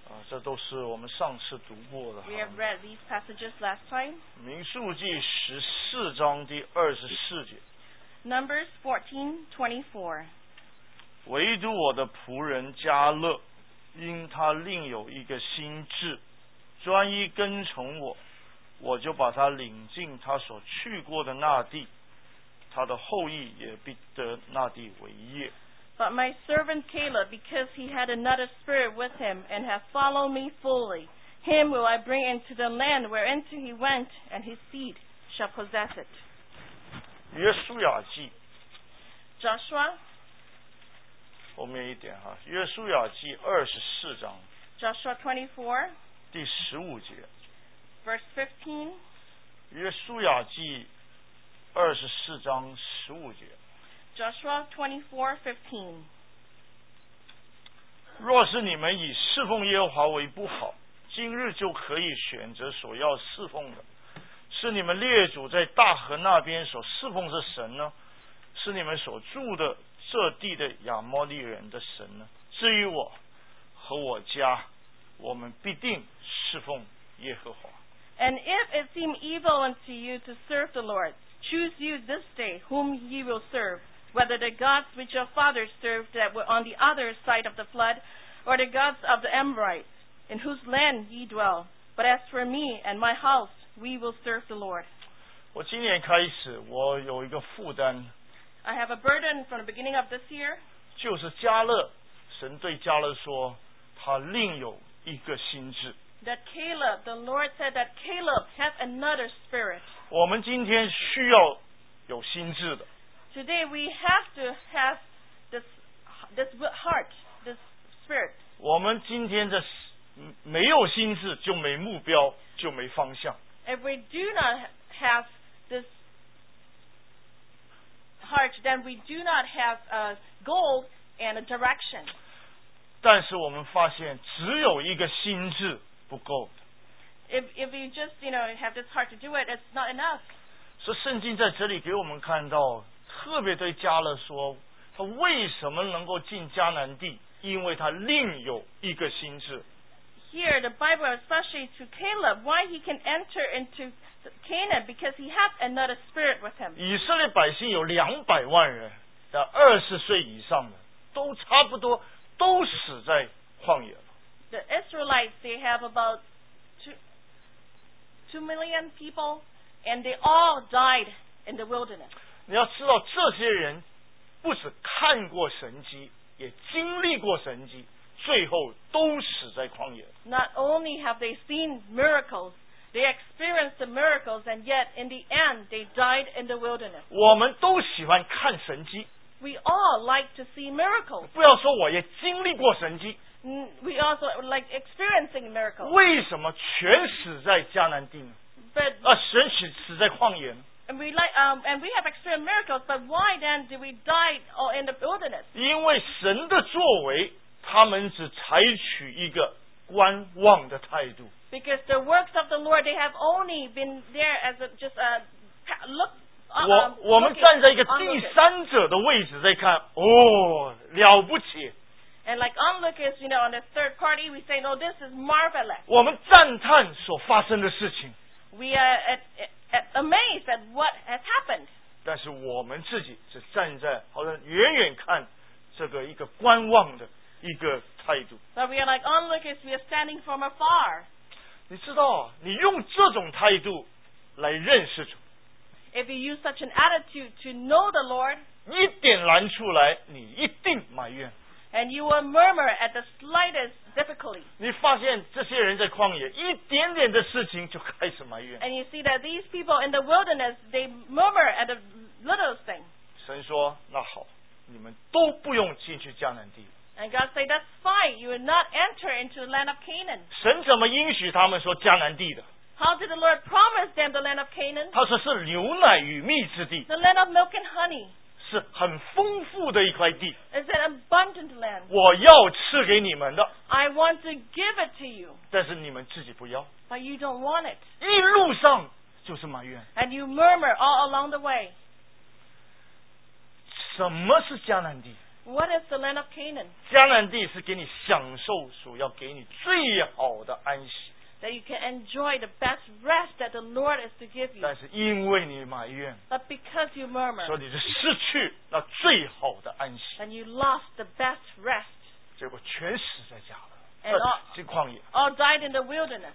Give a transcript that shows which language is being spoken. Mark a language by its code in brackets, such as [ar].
[zh] 这都是我们上次读过的。 [en] We have read these passages last time. [zh] 民数记十四章第二十四节。 [en] Numbers 14:24. [zh] 唯独我的仆人加勒，因他另有一个心志，专一跟从我，我就把他领进他所去过的那地，他的后裔也必得那地为业。 [en] But my servant Caleb, because he had another spirit with him and have followed me fully, him will I bring into the land whereinto he went, and his seed shall possess it. [zh] 约书亚记 [en] Joshua [zh] 后面一点哈，约书亚记二十四章 [en] Joshua 24 [zh] 第十五节 [en] Verse 15 [zh] 约书亚记二十四章十五节 [en] Joshua 24:15. [zh] 若是你们以侍奉耶和华为不好，今日就可以选择所要侍奉的，是你们列祖在大河那边所侍奉的神呢，是你们所住的这地的亚摩利人的神呢？至于我和我家，我们必定侍奉耶和华。 [en] And if it seem evil unto you to serve the Lord, choose you this day whom ye will serve. Whether the gods which your fathers served that were on the other side of the flood, or the gods of the Amorites, in whose land ye dwell. But as for me and my house, we will serve the Lord. [zh] 我今年开始，我有一个负担。 [en] I have a burden from the beginning of this year. [zh] 就是加勒，神对加勒说，他另有一个心志。 [en] That Caleb, the Lord said that Caleb has another spirit. [zh] 我们今天需要有心志的。 [en] Today we have to have this heart, this spirit. [zh] 我们今天的没有心智就没目标，就没方向。 [en] If we do not have this heart, then we do not have a goal and a direction. [zh] 但是我们发现只有一个心智不够。 [en] If you just, you know, have this heart to do it, it's not enough. [zh] 所以圣经在这里给我们看到特别对加勒说，他为什么能够进迦南地？因为他另有一个心志。 [en] Here the Bible especially to Caleb, why he can enter into Canaan because he had another spirit with him. [zh] 以色列百姓有两百万人，但二十岁以上的都差不多都死在旷野了。 [en] The Israelites they have about two million people, and they all died in the wilderness. [zh] 你要知道这些人不只看过神迹也经历过神迹最后都死在旷野 [en] Not only have they seen miracles they experienced the miracles and yet in the end they died in the wilderness [zh] 我们都喜欢看神迹 [en] We all like to see miracles [zh] 不要说我也经历过神迹 [en] We also like experiencing miracles [zh] 为什么全死在迦南地呢 [en] But, [zh] 神死在旷野呢 [en] And we, like, and we have extreme miracles, but why then do we die all in the wilderness? [zh] 因为神的作为，他们只采取一个观望的态度。 [en] Because the works of the Lord, they have only been there as a, just a look. [zh] 我们站在一个第三者的位置在看，哦，了不起。 [en] And like onlookers, you know, on the third party, we say, no, this is marvelous. [zh] 我们赞叹所发生的事情。 [en] We are amazed at what has happened. [zh] 但是我们自己只站在好像远远看这个一个观望的一个态度。 [en] But we are like onlookers, we are standing from afar. [zh] 你知道，你用这种态度来认识主。 [en] If you use such an attitude to know the Lord, [zh] 一点难处来，你一定埋怨。 [en] And you will murmur at the slightest difficulty. [zh] 你发现这些人在旷野，一点点的事情就开始埋怨。 [en] And you see that these people in the wilderness, they murmur at the littlest thing. [zh] 神说，那好，你们都不用进去迦南地。 [en] And God said, that's fine, you will not enter into the land of Canaan. [zh] 神怎么应许他们说迦南地的？ [en] How did the Lord promise them the land of Canaan? [zh] 他说是牛奶与蜜之地。 [en] The land of milk and honey. [zh] 是很丰富的一块地 [en] It's an abundant land. [zh] 我要赐给你们的 [en] I want to give it to you. [zh] 但是你们自己不要 [en] But you don't want it. [zh] 一路上就是埋怨。 [en] And you murmur all along the way. [zh] 什么是迦南地？ [en] What is the land of Canaan? [zh] 迦南地是给你享受所要给你最好的安息。 [en] That you can enjoy the best rest that the Lord is to give you. [zh] 但是因为你埋怨， [en] But because you murmur, [zh] 所以你就失去那最好的安息。 [en] And you lost the best rest. [zh] 结果全死在家了。 [en] All died in the wilderness.